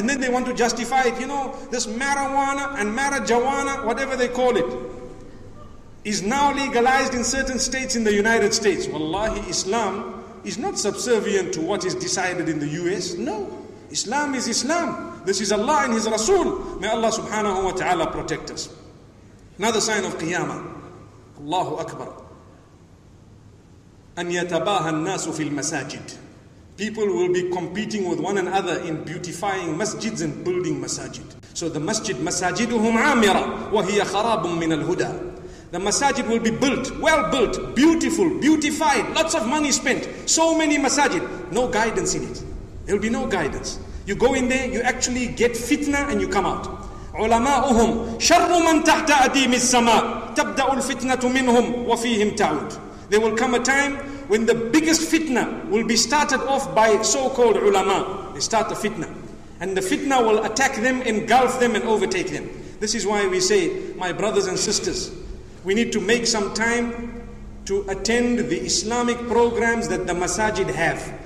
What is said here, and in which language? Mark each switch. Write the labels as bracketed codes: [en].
[en] And then they want to justify it. You know, this marijuana and marijuana, whatever they call it, is now legalized in certain states in the United States. Wallahi, Islam is not subservient to what is decided in the US. No. Islam is Islam. This is Allah and His Rasul. May Allah subhanahu wa ta'ala protect us. Another sign of Qiyamah. Allahu Akbar. [ar] أن يتباهى الناس في المساجد. [en] People will be competing with one another in beautifying masjids and building masajid. So the masjid, masajiduhum [ar] عامرة وهي خراب من الهدى. [en] The masajid will be built, well built, beautiful, beautified, lots of money spent. So many masajid, no guidance in it. There will be no guidance. You go in there, you actually get fitna and you come out. [ar] علماؤهم شر من تحت أديم السماء تبدأ الفتنة منهم وفيهم تعود. [en] There will come a time when the biggest fitna will be started off by so-called ulama. They start the fitna. And the fitna will attack them, engulf them and overtake them. This is why we say, my brothers and sisters, we need to make some time to attend the Islamic programs that the masajid have.